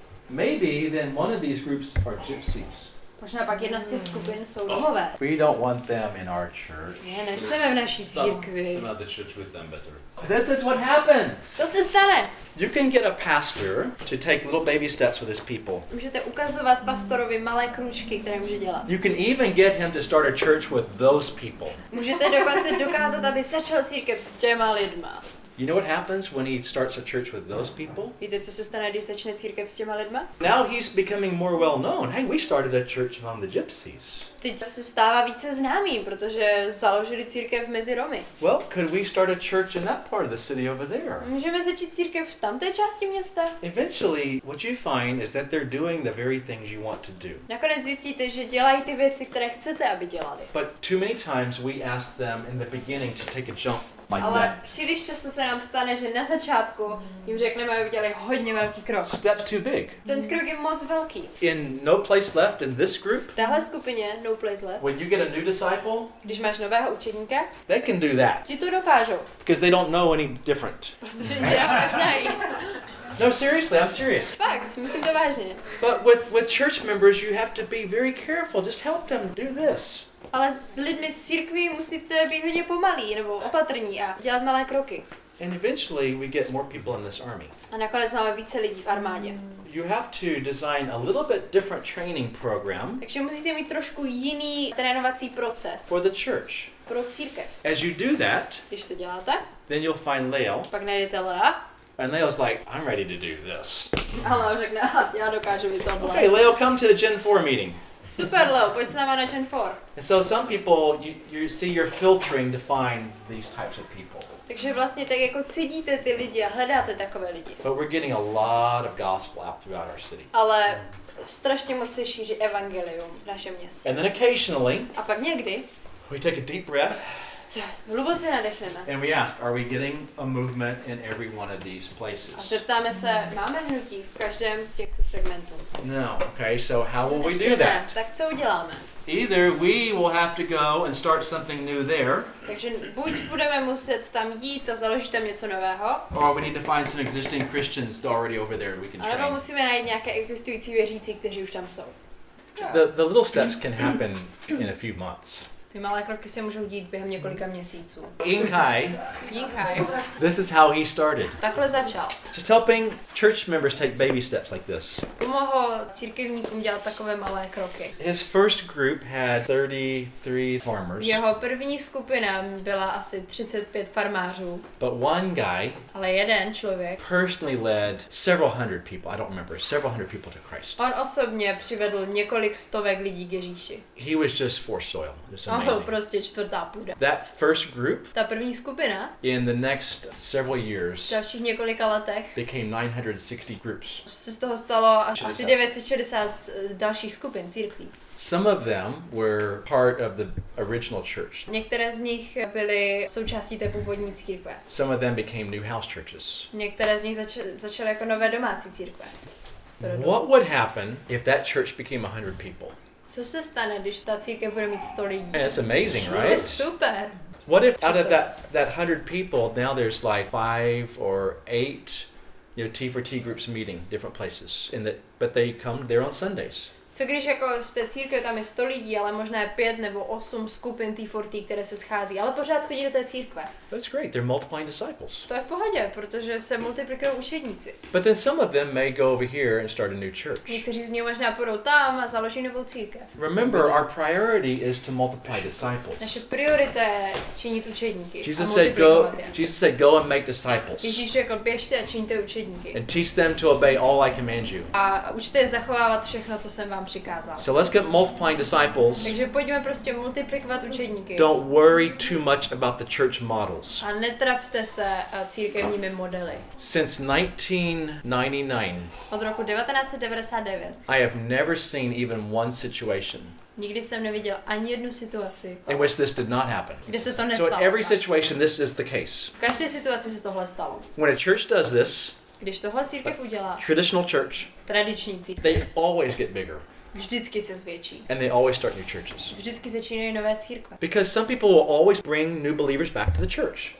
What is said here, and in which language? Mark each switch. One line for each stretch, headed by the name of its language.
English: Maybe then one of these groups are gypsies.
Czech: Možná pak jedna z těch skupin jsou Romové.
English: We don't want them in our church.
Czech: Je, nechceme v naší církvi.
English: Some another church with them better. This is what happens.
Czech: To se stane.
English: You can get a pastor to take little baby steps with his people.
Czech: Můžete ukazovat pastorovi malé kručky, které může dělat.
English: You can even get him to start a church with those people.
Czech: Můžete dokonce dokázat, aby začal církev s těma lidma.
English: You know what happens when he starts a church with those people?
Czech: Víte, co se stane, když začne církev s těma lidma?
English: Now he's becoming more well known. Hey, we started a church among the gypsies.
Czech: Teď se stává více známý, protože založili církev mezi Romy.
English: Well, could we start a church in that part of the city over there?
Czech: Můžeme začít církev v tamté části města?
English: Eventually, what you find is that they're doing the very things you want to do.
Czech: Nakonec zjistíte, že dělají ty věci, které chcete, aby dělali.
English: But too many times we ask them in the beginning to take a jump.
Czech: Ale příliš často se nám stane, že na začátku jim řekneme, aby udělali hodně velký krok.
English: Step too big.
Czech: Ten krok je moc velký.
English: In no place left in this group.
Czech: Tahle skupině no place left.
English: When you get a new disciple.
Czech: Když máš nového učeníka.
English: They can do that.
Czech: Ti to dokážou.
English: Because they don't know any different.
Czech: Protože nic jiného neznají.
English: No, seriously, I'm serious.
Czech: Fakt, myslím to vážně.
English: But with church members, you have to be very careful. Just help them do this.
Czech: Ale s lidmi z církví musíte být hodně pomalí nebo opatrní a dělat malé kroky.
English: And eventually we get more people in this army.
Czech: A nakonec máme více lidí v armádě.
English: You have to design a little bit different training program.
Czech: Takže musíte mít trošku jiný trénovací proces.
English: For the church.
Czech: Pro církev.
English: As you do that,
Czech: když to děláte,
English: then you'll find Leo.
Czech: Pak najdete Lea.
English: And Leo's like, I'm ready to do this.
Czech: Ale on řekne, já dokážu mít tohle.
English: Okay, Leo, come to the Gen 4 meeting.
Czech: Super, Leo, pojď s náma na Gen 4.
English: And so some people, you see you're filtering to find these types of people.
Czech: Takže vlastně tak jako cedíte ty lidi a hledáte takové lidi.
English: But we're getting a lot of gospel out throughout our city.
Czech: Ale strašně moc se šíří evangelium v našem městě.
English: And then occasionally,
Czech: a pak někdy,
English: we take a deep breath.
Czech: Hluboce nadechneme.
English: And we ask, are we getting a movement in every one of these places?
Czech: A zeptáme se, máme hnutí v každém z těchto segmentů?
English: No, okay, so how will we do that?
Czech: Tak co uděláme?
English: Either we will have to go and start something new there.
Czech: Takže buď budeme muset tam jít a založit tam něco nového.
English: Or we need to find some existing Christians already over there we can train.
Czech: Nebo musíme najít nějaké existující věřící, kteří už tam jsou.
English: The little steps can happen in a few months.
Czech: Ty malé kroky se můžou dít během několika měsíců.
English: Yinkai. This is how he started.
Czech: Takhle začal.
English: Just helping church members take baby steps like this.
Czech: Pomohl církevníkům dělat takové malé kroky.
English: His first group had 33 farmers.
Czech: Jeho první skupina byla asi 35 farmářů.
English: But one guy.
Czech: Ale jeden člověk.
English: Personally led several hundred people. I don't remember. Several hundred people to Christ.
Czech: On osobně přivedl několik stovek lidí k Ježíši.
English: He was just force soil.
Czech: Byl prostě čtvrtá půda.
English: That first group.
Czech: Ta první skupina.
English: In the next several years.
Czech: V dalších několika letech.
English: Became 960 groups.
Czech: Se z toho stalo asi 960 dalších skupin církví.
English: Some of them were part of the original church.
Czech: Některé z nich byly součástí té původní církve.
English: Some of them became new house churches.
Czech: Některé z nich začaly jako nové domácí církve.
English: What would happen if that church became 100 people?
Czech: Co se stane, když ta církev bude mít 100 lidí?
English: That's amazing, right?
Czech: To je super.
English: What if out of that 100 people, now there's like 5 or 8, you know, T4T groups meeting different places, but they come there on Sundays.
Czech: Co když jako z té církve tam je 100 lidí, ale možná je 5 nebo 8 skupin T4T, které se schází, ale pořád chodí do té církve.
English: That's great, they're multiplying disciples.
Czech: To je v pohodě, protože se multiplikují učedníci.
English: But then some of them may go over here and start a new church.
Czech: Někteří z nich možná půjdou tam a založí novou církev.
English: Remember, our priority is to multiply disciples.
Czech: Naše priorita je činit učedníky.
English: Jesus said, go and make disciples.
Czech: Ježíš řekl, běžte a činíte učedníky.
English: And teach them to obey all I command you.
Czech: A učte je zachovávat všechno, co jsem vám přikázal.
English: So let's get multiplying disciples.
Czech: Takže pojďme prostě multiplikovat učedníky.
English: Don't worry too much about the church models.
Czech: A netrapte se církevními modely.
English: Since 1999.
Czech: Od roku 1999.
English: I have never seen even one situation.
Czech: Nikdy jsem neviděl ani jednu situaci.
English: In which this did not happen.
Czech: Kde se to nestalo.
English: So in every situation this is the case.
Czech: V každé situaci se tohle stalo.
English: When a church does this.
Czech: Když tohle církev udělá.
English: Traditional church.
Czech: Tradiční církev.
English: They always get bigger.
Czech: Vždycky se zvětší.
English: And they always start new churches.
Czech: Vždycky začínají nové církve.
English: Because some people will always bring new believers back to the church.